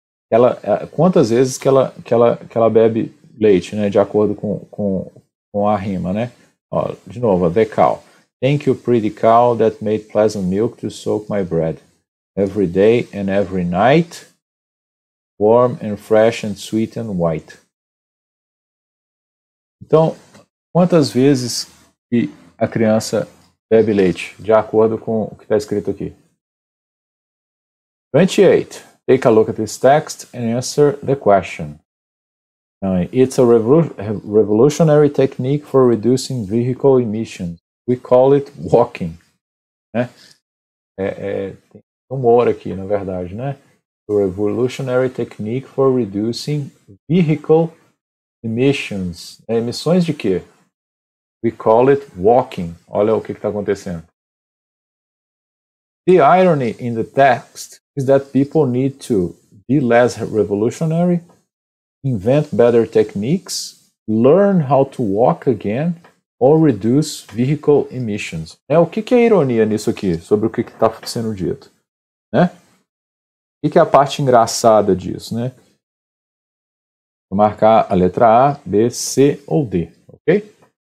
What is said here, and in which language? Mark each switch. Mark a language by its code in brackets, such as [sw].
[pt] Ela, quantas vezes que ela bebe leite, né? De acordo com a rima, né? Ó, de novo, [en] the cow. Thank you, pretty cow, that made pleasant milk to soak my bread. Every day and every night, warm and fresh and sweet and white. [pt] Então, quantas vezes que a criança bebe leite, de acordo com o que está escrito aqui? 28. [en] Take a look at this text and answer the question. It's a revolutionary technique for reducing vehicle emissions. We call it walking. [pt] Né? Tem humor aqui, na verdade, né? [en] A revolutionary technique for reducing vehicle emissions. [pt] Emissões de quê? [en] We call it walking. [pt] Olha o que está acontecendo. [en] The irony in the text is that people need to be less revolutionary, invent better techniques, learn how to walk again, or reduce vehicle emissions. [pt] O que que é ironia nisso aqui, sobre o que que está sendo dito? Né? O que que é a parte engraçada disso, né? Vou marcar a letra A, B, C ou D, ok?